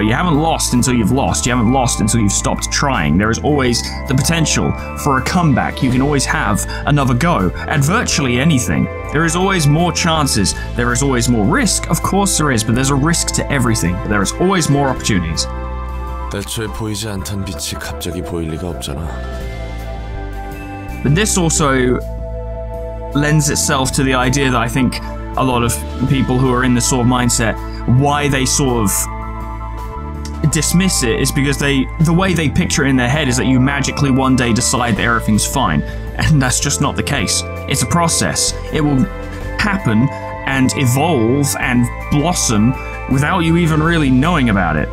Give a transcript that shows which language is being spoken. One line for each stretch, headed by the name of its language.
English: You haven't lost until you've lost. You haven't lost until you've stopped trying. There is always the potential for a comeback. You can always have another go at virtually anything. There is always more chances. There is always more risk. Of course there is, but there's a risk to everything. There is always more opportunities.
Korean: 대초에 보이지 않던 빛이 갑자기 보일 리가 없잖아.
English: But this also lends itself to the idea that I think a lot of people who are in this sort of mindset, why they sort of dismiss it is because the way they picture it in their head is that you magically one day decide that everything's fine. And that's just not the case. It's a process. It will happen and evolve and blossom without you even really knowing about it.